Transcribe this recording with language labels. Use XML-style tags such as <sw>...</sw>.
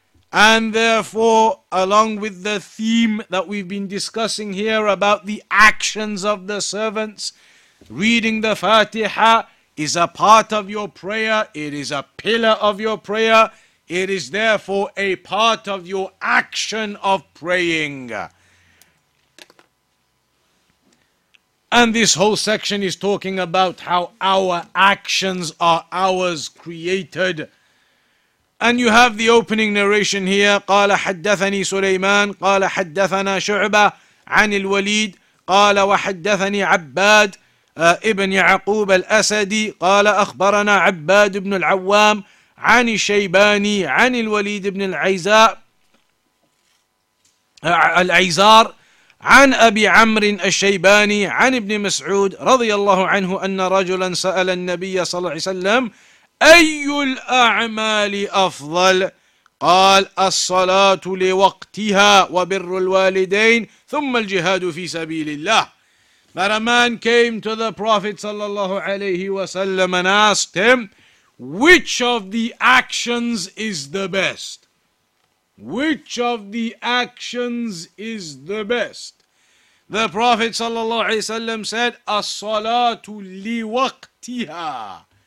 <en>And therefore, along with the theme that we've been discussing here about the actions of the servants, reading the Fatiha is a part of your prayer, it is a pillar of your prayer, it is therefore a part of your action of praying. And this whole section is talking about how our actions are ours created. And you have the opening narration here.</en> <ar>قال حدثني سليمان قال حدثنا شعبة عن الوليد قال وحدثني عباد ابن يعقوب الأسدي قال أخبرنا عباد بن العوام عن الشيباني عن الوليد بن العيزار عن أبي عمرو الشيباني عن ابن مسعود رضي الله عنه أن رجلا سأل النبي صلى الله عليه وسلم أي الأعمال أفضل؟ قال الصلاة لوقتها وبر الوالدين ثم الجهاد في سبيل الله.</ar> <en>But a man came to the Prophet صلى الله عليه وسلم and asked him, which of the actions is the best? Which of the actions is the best? The Prophet صلى الله عليه وسلم said,</en> <ar>الصلاة لوقتها.</ar>